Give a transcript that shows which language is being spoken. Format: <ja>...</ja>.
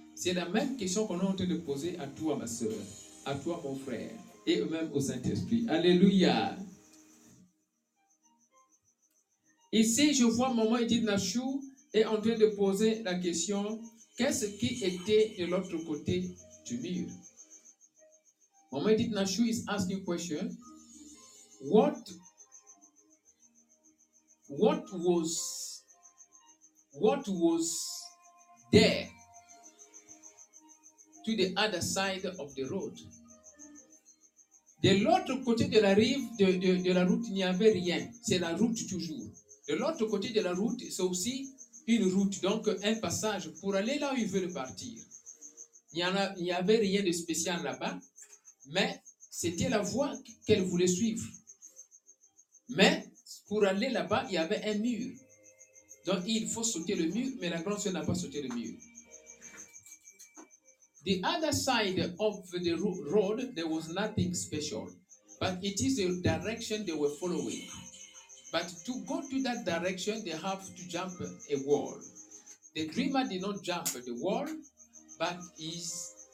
<fr>C'est la même question qu'on est en train de poser à toi, ma sœur, à toi, mon frère, et même au Saint-Esprit. Alléluia! Ici, je vois maman Edith Nachou est en train de poser la question. Qu'est-ce qui était de l'autre côté du mur?</fr> <en>Mama Edith Nachou is asking question, what was there to the other side of the road?</en> <fr>De l'autre côté de la rive de la route, il n'y avait rien. C'est la route toujours. De l'autre côté de la route, c'est aussi une route, donc un passage pour aller là où ils veulent partir. Il n'y avait rien de spécial là-bas. Mais c'était la voie qu'elle voulait suivre. Mais pour aller là-bas, il y avait un mur. Donc il faut sauter le mur, mais la grande sœur n'a pas sauté le mur.</fr> <en>The other side of the road, there was nothing special. But it is the direction they were following. But to go to that direction, they have to jump a wall. The dreamer did not jump the wall, but is...</en>